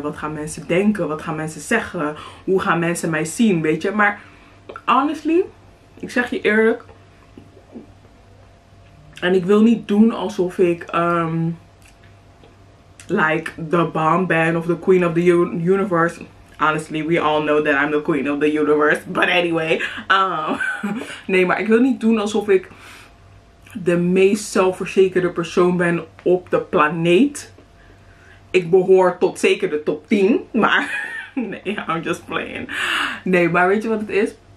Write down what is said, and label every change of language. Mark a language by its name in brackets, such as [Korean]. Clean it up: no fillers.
[Dutch] Wat gaan mensen denken? Wat gaan mensen zeggen? Hoe gaan mensen mij zien, weet je? Maar honestly, ik zeg je eerlijk... En ik wil niet doen alsof ik [English] like the bomb [Dutch] ben of [English] the queen of the universe. Honestly, we all know that I'm the queen of the universe. But anyway. [Dutch] nee, maar ik wil niet doen alsof ik de meest zelfverzekerde persoon ben op de planeet. Ik behoor tot zeker de top 10. Maar nee, [English] I'm just playing. [Dutch] Nee, maar weet je wat het is?